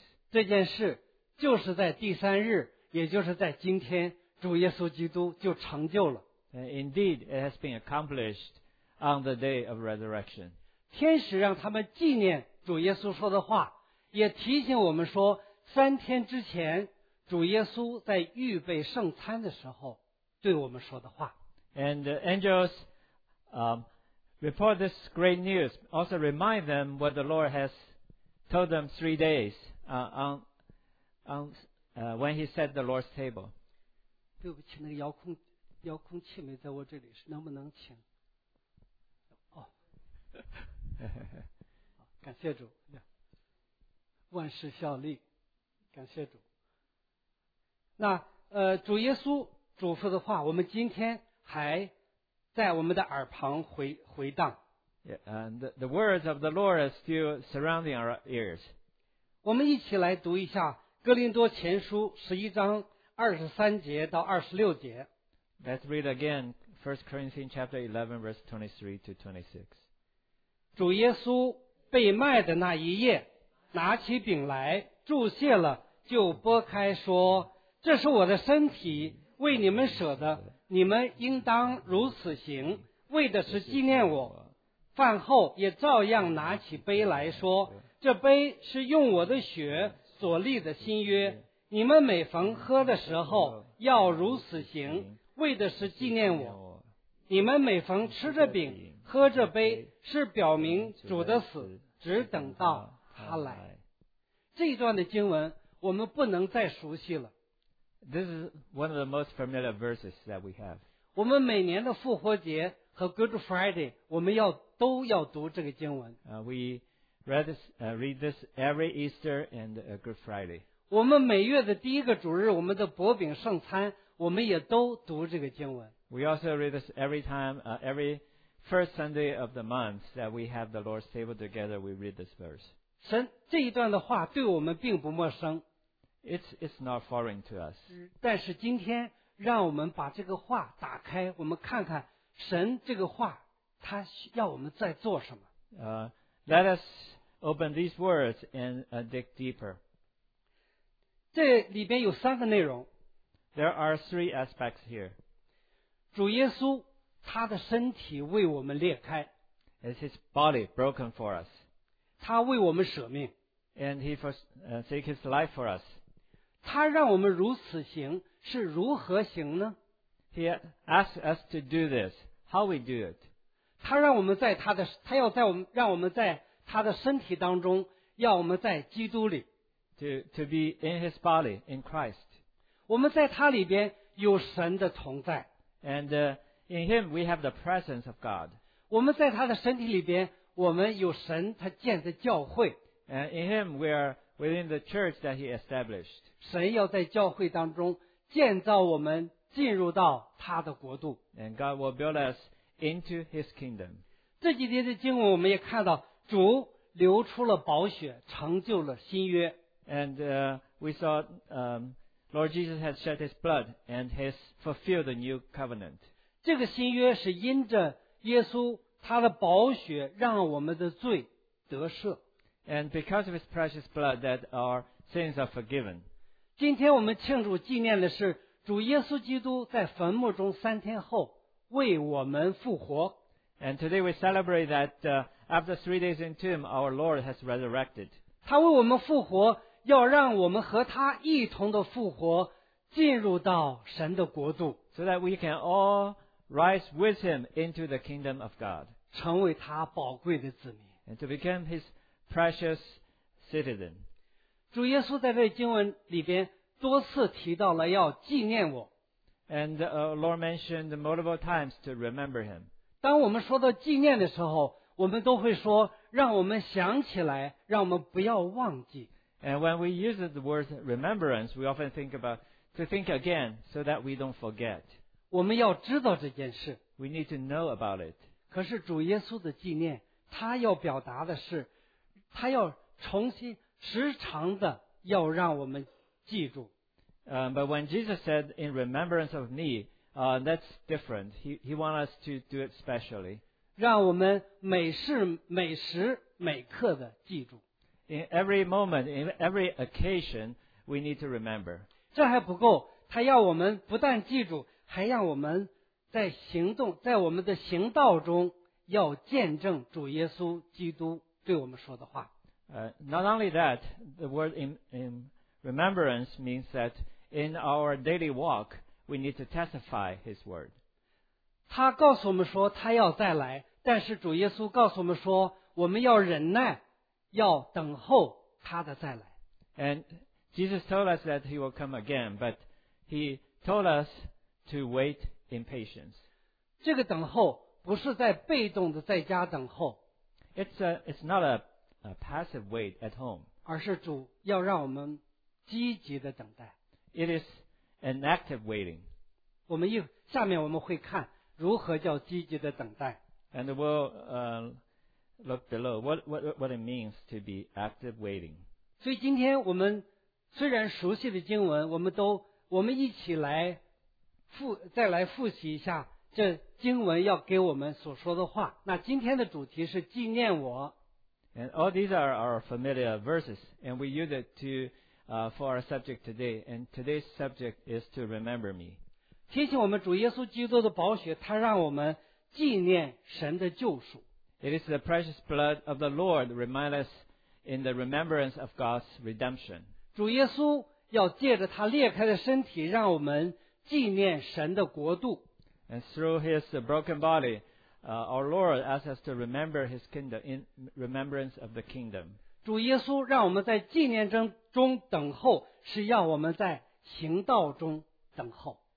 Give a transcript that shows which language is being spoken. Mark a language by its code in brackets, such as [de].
[zh] 这件事就是在第三日，也就是在今天，主耶稣基督就成就了。 [en] And indeed, it has been accomplished on the day of resurrection. [zh] 天使让他们纪念主耶稣说的话，也提醒我们说，三天之前主耶稣在预备圣餐的时候对我们说的话。 [en] And the angels report this great news also remind them what the Lord has told them three days when he set the Lord's table. [zh] 对不起，那个遥控器没在我这里，能不能请感谢主，万事效力，感谢主。那主耶稣嘱咐的话，我们今天还在我们的耳旁回荡。 [en] Yeah, and the words of the Lord are still surrounding our ears. [zh] 我们一起来读一下《哥林多前书》11章23节到26节。 [en] Let's read again First Corinthians chapter 11, verse 23 to 26. [zh] 主耶稣被卖的那一夜，拿起饼来，祝谢了，就拨开说：“这是我的身体，为你们舍的，你们应当如此行，为的是纪念我。饭后也照样拿起杯来说，这杯是用我的血所立的新约，你们每逢喝的时候要如此行，为的是纪念我。你们每逢吃着饼喝着杯，是表明主的死，只等到他来。这一段的经文我们不能再熟悉了。 [en] This is one of the most familiar verses that we have. [zh] 我们每年的复活节和 Good Friday 我们要都要读这个经文。 [en] We read this, read this every Easter and Good Friday. [zh] 我们每月的第一个主日，我们的薄饼圣餐，我们也都读这个经文。 [en] We also read this every time, every first Sunday of the month that we have the Lord's table together, we read this verse. [zh] 神这一段的话对我们并不陌生。 [en] It's not foreign to us. [zh] 但是今天让我们把这个话打开，我们看看神这个话他要我们在做什么。 [en] Let us open these words and dig deeper. [zh] 这里边有三个内容。 [en] There are three aspects here. [zh] 主耶稣他的身体为我们裂开。 [en] It's his body broken for us. [zh] 他为我们舍命。 [en] And he forsake his life for us. [zh] 他让我们如此行是如何行呢？ [en] He asked us to do this. How we do it? [zh] 他让我们在他的，他要在我们，让我们在他的身体当中，要我们在基督里。 [en] To be in his body, in Christ. [zh] 我们在他里边有神的同在。 [en] AndIn him we have the presence of God. [zh] 我们在他的身体里边，我们有神他建的教会。 [en] And in him we are within the church that he established. [zh] 神要在教会当中建造我们，进入到他的国度。 [en] And God will build us into his kingdom. [zh] 这几天的经文我们也看到，主流出了宝血，成就了新约。 [en] And we saw Lord Jesus has shed his blood and has fulfilled the new covenant. [zh] 这个新约是因着耶稣他的宝血让我们的罪得赦。 [en] And because of his precious blood that our sins are forgiven. [zh] 今天我们庆祝纪念的是主耶稣基督在坟墓中三天后为我们复活。 [en] And today we celebrate that after three days in tomb, our Lord has resurrected. [zh] 他为我们复活，要让我们和他一同的复活，进入到神的国度。 [en] So that we can all rise with him into the kingdom of God. [zh] 成为他宝贵的子民。 [en] And to become his precious citizen. [zh] 主耶稣在这经文里边多次提到了要纪念我。 [en] And Lord mentioned multiple times to remember him. [zh] 当我们说到纪念的时候，我们都会说让我们想起来，让我们不要忘记。 [en] And when we use the word remembrance, we often think about to think again so that we don't forget. [zh] 我们要知道这件事。 [en] We need to know about it. [zh] 可是主耶稣的纪念，他要表达的是，他要重新时常的要让我们记住。 [en] But when Jesus said in remembrance of me, that's different. He wants us to do it specially. [zh] 让我们每事每时每刻的记住。 [en] In every moment, in every occasion, we need to remember. [zh] 这还不够，他要我们不但记住，还让我们在行动，在我们的行道中要见证主耶稣基督对我们说的话。 [en] Not only that, the word in remembrance means that in our daily walk, we need to testify his word. [zh] 他告诉我们说他要再来，但是主耶稣告诉我们说我们要忍耐，要等候他的再来。 [en] And Jesus told us that he will come again, but he told us to wait in patience. [zh] 这个等候不是在被动的在家等候。 [en] It's not a passive wait at home. [zh] 而是主要让我们积极的等待。 [en] It is an active waiting. [zh] 我们下面我们会看如何叫积极的等待。 [en] And we'll look below what it means to be active waiting. [zh] 所以今天我们虽然熟悉的经文，我们一起来再来复习一下这经文要给我们所说的话。那今天的主题是纪念我。 [en] And all these are our familiar verses, and we use it to for our subject today. And today's subject is to remember me. [zh] 提醒我们主耶稣基督的宝血，他让我们纪念神的救赎。 [en] It is the precious blood of the Lord remind us in the remembrance of God's redemption. [zh] 主耶稣要借着他裂开的身体，让我们纪念神的国度。 [en] And through his broken body, our Lord asks us to remember his kingdom in remembrance of the kingdom. [zh] 主耶稣让我们在纪念中等候，是要我们在行道中等候。